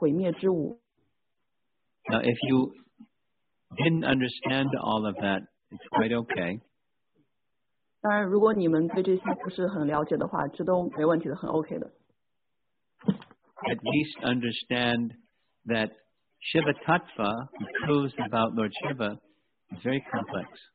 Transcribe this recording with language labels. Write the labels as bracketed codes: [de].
[zh] 遵循他的父亲主Brahma的训示，他就一直等在那里，等待这个宇宙毁灭的时候，他可以去上演他的毁灭之舞。 [en] Now, if you didn't understand all of that, it's quite okay. [zh] 当然，如果你们对这些不是很了解的话，这都没问题的，很OK的。 [en] At least understand that Shiva Tattva, the truth about Lord Shiva, is very complex.